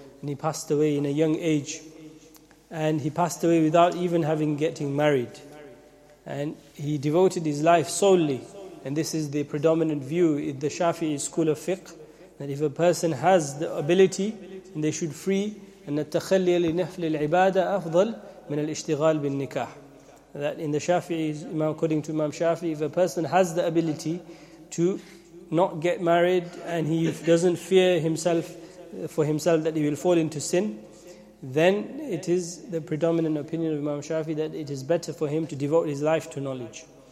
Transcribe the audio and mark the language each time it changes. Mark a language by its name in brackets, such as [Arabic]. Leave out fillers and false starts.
[English] And he passed away in a young age. And he passed away without even having getting married. And he devoted his life solely. And this is the predominant view in the Shafi'i school of fiqh, that if a person has the ability, they should free. And [Arabic] التخلي لنفل العبادة أفضل من الاشتغال بالنكاح. [English] That in the Shafi'i, according to Imam Shafi'i, if a person has the ability to not get married and he doesn't fear himself for himself that he will fall into sin, then it is the predominant opinion of Imam Shafi'i that it is better for him to devote his life to knowledge.